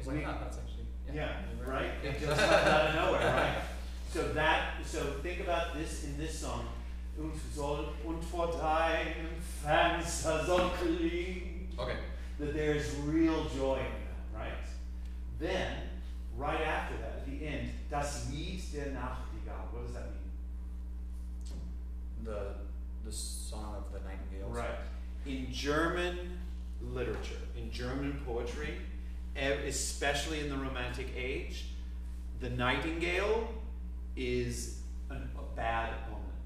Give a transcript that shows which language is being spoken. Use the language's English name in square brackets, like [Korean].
[English] Well, we, not, that's actually. Yeah right? It just comes out of nowhere, right? So that, so think about this in this song. [German] Und vor deinem Fenster soll klingen. [English] Okay. That there's real joy in that, right? Then, right after that, at the end, [German] das Lied der Nachtigall. [English] What does that mean? The song of the nightingales. Right. In German literature, in German poetry, especially in the Romantic age, the nightingale is a bad omen.